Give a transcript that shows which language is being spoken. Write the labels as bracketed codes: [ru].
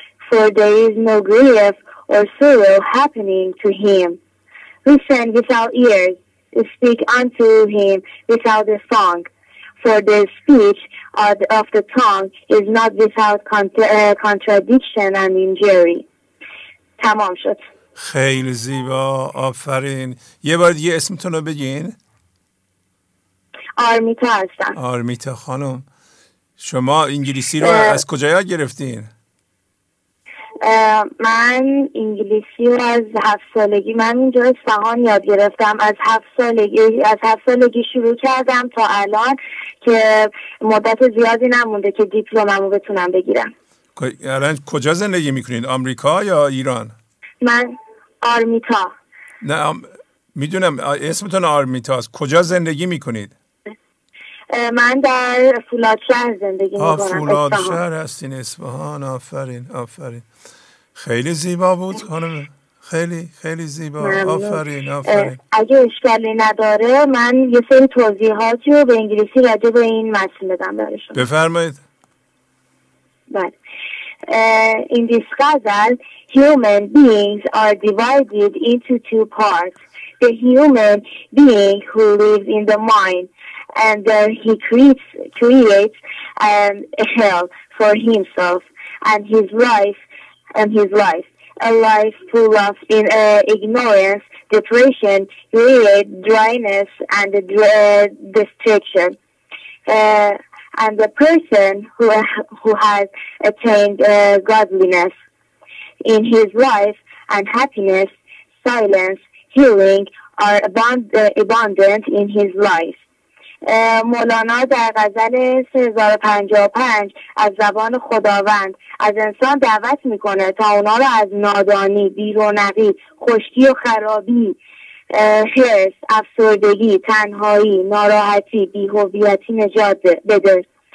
[en] For there is no grief or sorrow happening to him. Listen without ears, speak unto him without a song. For the speech of the tongue is not without contradiction and injury. [fa] Tamam shud. خیلی زیبا، آفرین. یه بار دیگه اسمتون رو بگین. آرمیتا هستم. آرمیتا خانم، شما انگلیسی رو از کجا یاد گرفتین؟ من انگلیسی رو از 7 سالگی، من اینجا اصفهان یاد گرفتم، از هفت سالگی شروع کردم تا الان که مدت زیادی نمونده که دیپلمم رو بتونم بگیرم. الان کجا زندگی میکنین؟ آمریکا یا ایران؟ من آرمیتا. نه میدونم اسمتون آرمیتا است. کجا زندگی میکنید؟ من در فولادشهر زندگی میکنم. فولادشهر هستین، اصفهان. آفرین آفرین، خیلی زیبا بود خانم. خیلی خیلی زیبا. آفرین آفرین. اگه اشکالی نداره من یه سری توضیحاتی رو به انگلیسی راجع به این متن بدم براتون. بفرمایید. بله. [en] In this Ghazal, human beings are divided into two parts, the human being who lives in the mind, and he creates a hell for himself and his life, a life full of ignorance, depression, greed, dryness, and destruction. And the person who has attained godliness in his life and happiness, silence, healing are abundant in his life. [fa] مولانا در غزل 3055 از زبان خداوند از انسان دعوت میکنه تا اونا را از نادانی، بیرونقی، خشکی و خرابی، خرس، افسردگی، تنهایی، ناراحتی، بی‌هویتی نجات بده.